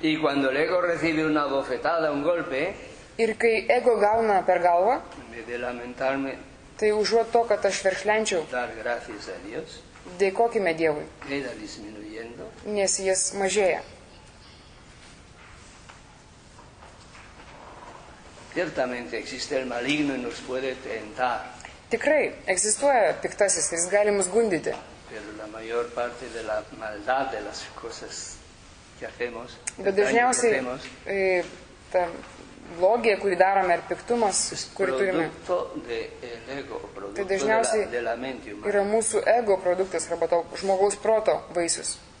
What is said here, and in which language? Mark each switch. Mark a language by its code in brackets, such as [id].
[lt] Ir kai ego gauna per galvą, tai užuot to, kad aš veršlenčiau, dėkokime Dievui, nes jis mažėja. [es] Ciertamente existe el maligno y nos puede tentar. [lt] Tikrai, egzistuoja piktasis, jis gali mus gundyti. [es] Pero la mayor parte de la maldad de las cosas que hacemos, [lt] bet dažniausiai ta blogija, kurį darome, ar piktumas, kurį turime, tai dažniausiai yra mūsų ego produktas arba to žmogaus proto vaisius.